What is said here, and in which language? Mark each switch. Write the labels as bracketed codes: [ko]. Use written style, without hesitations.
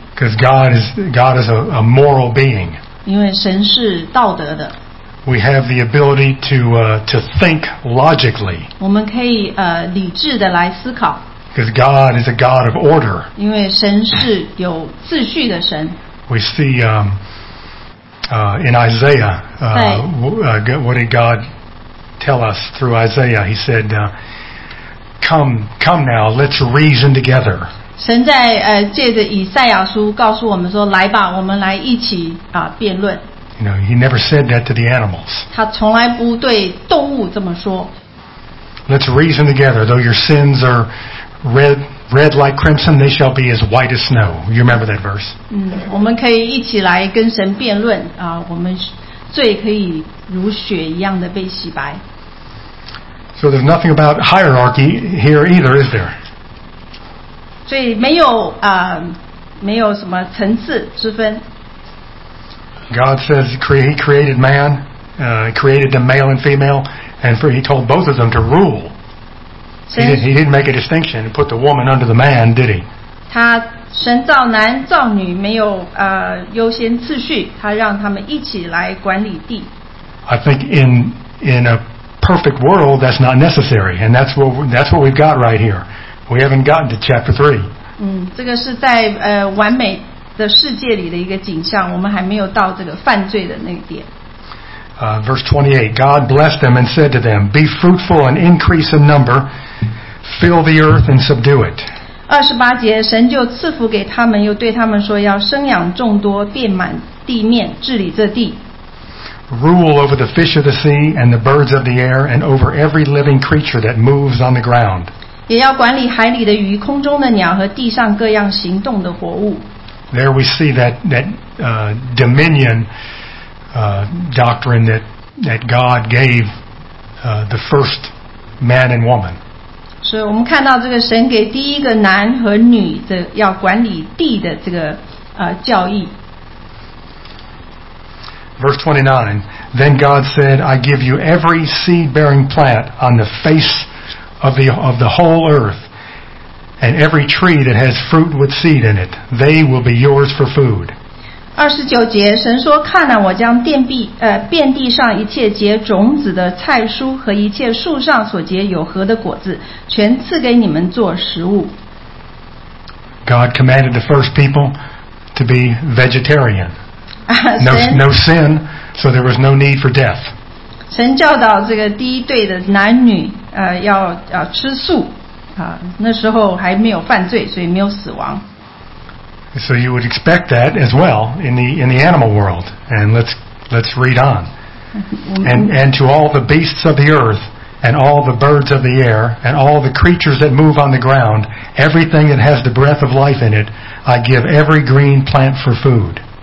[en] Because God is a moral being. [zh] 因为神是道德的。 [en] We have the ability to think logically. [zh] 我们可以理智的来思考。 [en] Because God is a God of order. [zh] 因为神是有秩序的神。 [en] We see in Isaiah, what did God tell us through Isaiah? He said, come now, let's reason together. [zh] 神在借着以赛亚书告诉我们说，来吧，我们来一起辩论。 [en] You know, he never said that to the animals. [zh] 他从来不对动物这么说。 [en] Let's reason together, though your sins are red like crimson, they shall be as white as snow. You remember that verse? [zh] 我们可以一起来跟神辩论我们罪可以如雪一样的被洗白。 [en] So there's nothing about hierarchy here either, is there? [zh] 所以没有没有什么层次之分。 [en] God says he created man, created the male and female, and for he told both of them to rule. He didn't make a distinction and put the woman under the man, did he? [zh] 他神造男造女没有优先次序，他让他们一起来管理地。 [en] I think in a perfect world that's not necessary, and that's what we've got right here. We haven't gotten to chapter 3. [zh] 这个是在完美的世界里的一个景象，我们还没有到这个犯罪的那个点。 [en] Verse 28, God blessed them and said to them, Be fruitful and increase in number, fill the earth and subdue it. [zh] 28节，神就赐福给他们，又对他们说要生养众多，遍满地面，治理这地。 [en] Rule over the fish of the sea and the birds of the air and over every living creature that moves on the ground. [zh] 也要管理海里的鱼，空中的鸟和地上各样行动的活物。 [en] There we see that dominion doctrine that God gave the first man and woman. [zh] 所以我们看到这个神给第一个男和女的要管理地的这个教义。 [en] Verse 29, then God said, I give you every seed-bearing plant on the face of the whole earth, and every tree that has fruit with seed in it. They will be yours for food. [zh] 29节，神说，看啊，我将遍地上一切结种子的菜蔬和一切树上所结有核的果子，全赐给你们做食物。 [en] God commanded the first people to be vegetarian. No sin, so there was no need for death. [zh] 神教导这个第一对的男女要吃素那时候还没有犯罪，所以没有死亡。 [en] So you would expect that as well in the animal world. And let's read on. And to all the beasts of the earth, and all the birds of the air, and all the creatures that move on the ground, everything that has the breath of life in it, I give every green plant for food.